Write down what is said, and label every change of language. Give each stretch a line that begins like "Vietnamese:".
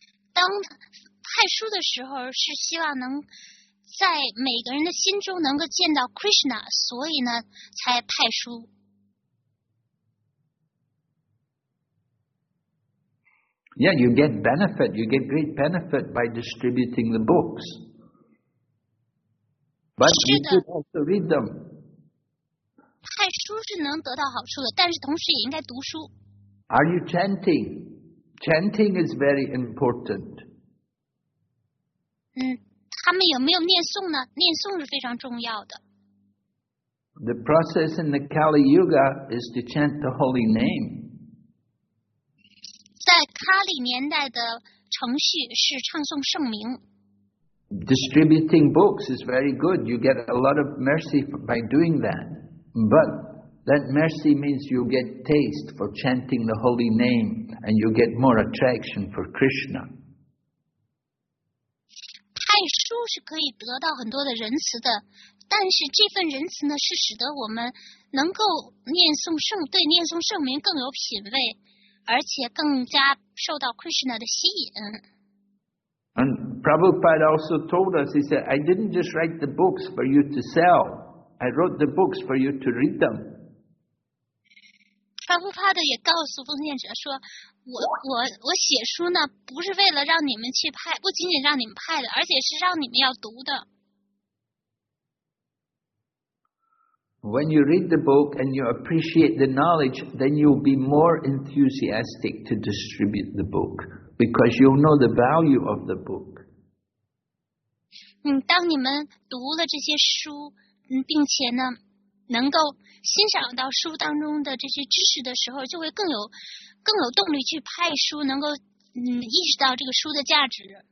Chinese: 当派书的时候是希望能在每个人的心中能够见到 Krishna， 所以呢才派书。
English: Yeah, you get benefit. You get great benefit by distributing the books. But you should also read them.
Chinese: 派书是能得到好处的，但是同时也应该读书。
English: Are you chanting? Chanting is very important.
Chinese: 他们有没有念诵呢？念诵是非常重要的。
English: The process in the Kali Yuga is to chant the holy name.
Chinese: 在卡里年代的程序是唱诵圣名。
English: Distributing books is very good. You get a lot of mercy by doing that. But that mercy means you get taste for chanting the holy name and you get more attraction for Krishna.
Chinese: 派书是可以得到很多的仁慈的，但是这份仁慈呢，是使得我们能够念诵圣，对念诵圣名更有品味，而且更加受到 Krishna 的吸引。
English: And Prabhupada also told us, he said, I didn't just write the books for you to sell. I wrote the books for you to read them.
Chinese: 帕夫帕德也告诉奉献者说，我写书呢，不是为了让你们去派，不仅仅让你们派的，而且是让你们要读的。
English: When you read the book and you appreciate the knowledge, then you'll be more enthusiastic to distribute the book because you'll know the value of the book.
Chinese: 当你们读了这些书，并且呢，能够欣赏到书当中的这些知识的时候，就会更有动力去派书，能够意识到这个书的价值。